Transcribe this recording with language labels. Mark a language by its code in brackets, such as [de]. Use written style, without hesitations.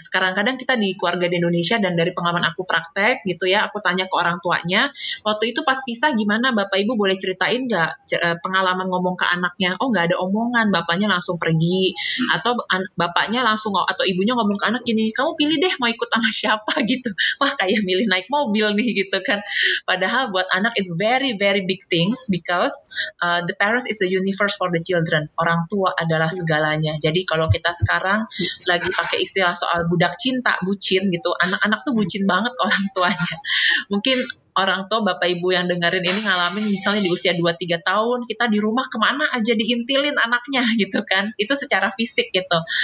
[id] Sekarang kadang kita di keluarga di Indonesia dan dari pengalaman aku praktek gitu ya, aku tanya ke orang tuanya, waktu itu pas pisah gimana Bapak Ibu, boleh ceritain gak pengalaman ngomong ke anaknya? Oh, gak ada omongan, bapaknya langsung pergi. Atau bapaknya langsung atau ibunya ngomong ke anak gini, kamu pilih deh mau ikut sama siapa gitu. Wah, kayak milih naik mobil nih gitu kan. Padahal buat anak [en] it's very very big things because the parents is the universe for the children. [id] Orang tua adalah segalanya. Jadi kalau kita sekarang lagi pakai istilah soal budak cinta, bucin gitu, anak-anak tuh bucin banget ke orang tuanya. Mungkin orang tua, bapak ibu yang dengerin ini ngalamin misalnya di usia 2-3 tahun, kita di rumah kemana aja diintilin anaknya gitu kan, itu secara fisik gitu.